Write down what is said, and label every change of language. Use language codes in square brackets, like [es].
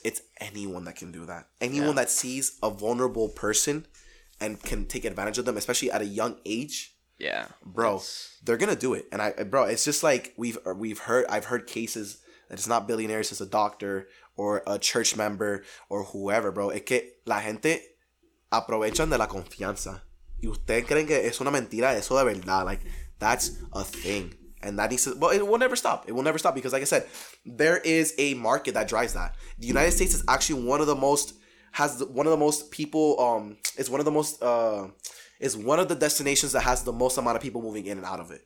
[en] It's anyone that can do that. Anyone that sees a vulnerable person and can take advantage of them, especially at a young age. Yeah, bro, they're gonna do it. And I, bro, it's just like I've heard cases that it's not billionaires, it's a doctor or a church member or whoever, bro. [es] Es que la gente aprovechan de la confianza. Y ustedes creen que es una mentira, eso de verdad. [en] Like, that's a thing, and that needs to. But it will never stop. It will never stop because, like I said, there is a market that drives that. The United States is actually is one of the destinations that has the most amount of people moving in and out of it.